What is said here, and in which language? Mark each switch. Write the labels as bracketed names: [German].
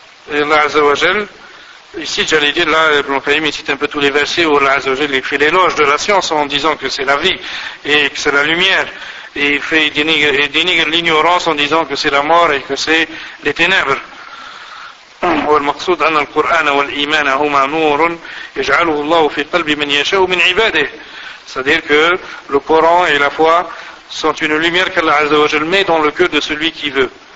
[French] Et Allah Azza wa Jal, ici j'allais dire, là, Ibn Qayyim cite un peu tous les versets où Allah Azza wa Jal il fait l'éloge de la science en disant que c'est la vie et que c'est la lumière. Et il dénigre l'ignorance en disant que c'est la mort et que c'est les ténèbres. [Arabic] والمقصود أن القرآن والإيمان هما نور يجعله الله في قلب من يشاء من عباده. [French] C'est-à-dire que le Coran et la foi sont une lumière qu'Allah Azza wa Jal met dans le cœur de celui qui veut.